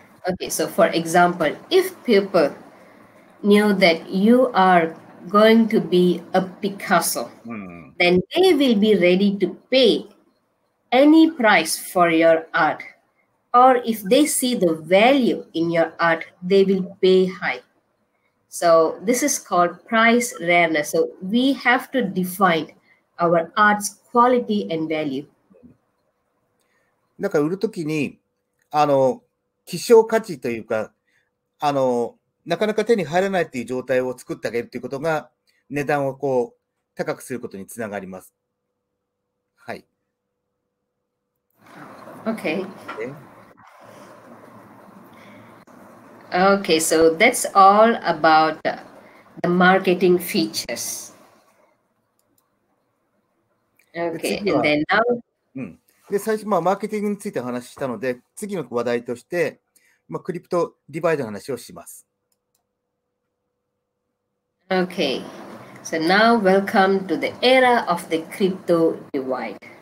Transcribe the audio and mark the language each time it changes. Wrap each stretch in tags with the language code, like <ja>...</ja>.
<en>Okay, so for example, if people knew that you are going to be a Picasso, then they will be ready to pay any price for your art. Or if they see the value in your art, they will pay high. So this is called price rareness. So we have to define our art's quality and value.</en> <ja>だから売るときに、希少価値というか、なかなか手に入らないという状態を作ってあげるということが、値段をこう高くすることにつながります。はい。</ja> <en>Okay. Okay, so that's all about the marketing features. Okay, and then now...、</en> <ja>で、最初、まあ、マーケティングについて話したので、次の話題として、まあ、クリプトディバイドの話をします。</ja> <en>Okay. So now welcome to the era of the crypto divide.</en>